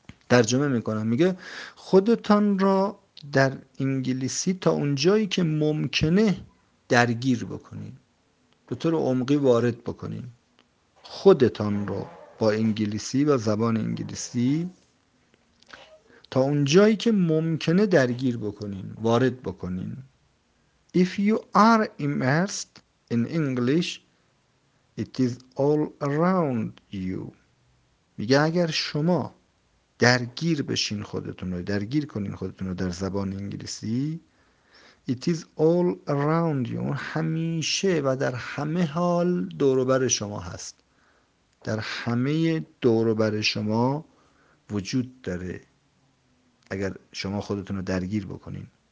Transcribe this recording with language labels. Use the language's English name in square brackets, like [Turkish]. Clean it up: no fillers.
[Persian] ترجمه میکنم، میگه خودتان را در انگلیسی تا اونجایی که ممکنه درگیر بکنید، به طور عمقی وارد بکنید، خودتان را با انگلیسی و زبان انگلیسی تا اونجایی که ممکنه درگیر بکنین، وارد بکنین. [English] If you are immersed in English, it is all around you. [Persian] میگه اگر شما درگیر بشین خودتون رو، درگیر کنین خودتون رو در زبان انگلیسی، [English] It is all around you، [Persian] همیشه و در همه حال دوروبر شما هست، در همه دوروبر شما وجود داره اگر شما خودتون رو درگیر بکنین.